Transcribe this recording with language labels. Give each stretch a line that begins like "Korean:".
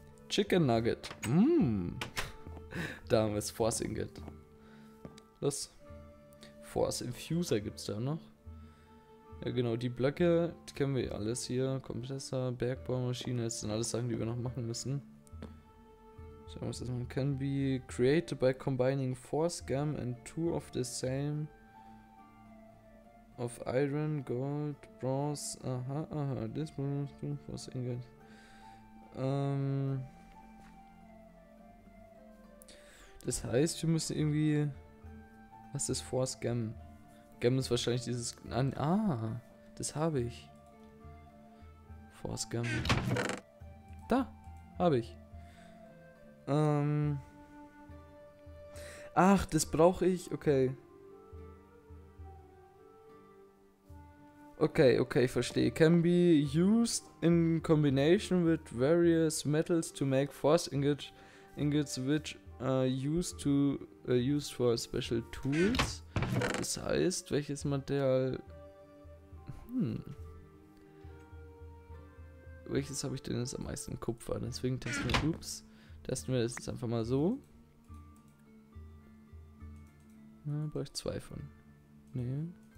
German: Chicken Nugget. Da haben wir es. Force Ingot. Was? Force Infuser gibt es da noch. Ja, genau. Die Blöcke, die kennen wir alles hier. Kompressor, Bergbaumaschine. Das sind alles Sachen, die wir noch machen müssen. Schauen wir uns das mal.
English: Can be created by combining Force Gem and two of the same. Of Iron, Gold, Bronze. Aha, aha. This one is Force Ingot.
German: Das heißt, wir müssen irgendwie... Was ist Force Gem? Gem ist wahrscheinlich dieses... Ah, das habe ich. Force Gem. Da, habe ich. Ach, das brauche ich. Okay. Okay, okay, verstehe.
English: Can be used in combination with various metals to make force ingots which are used for special tools.
German: Das heißt, welches Material... Welches habe ich denn jetzt am meisten? Kupfer. Deswegen testen wir das jetzt einfach mal so. Ja, brauche ich zwei von. Nee.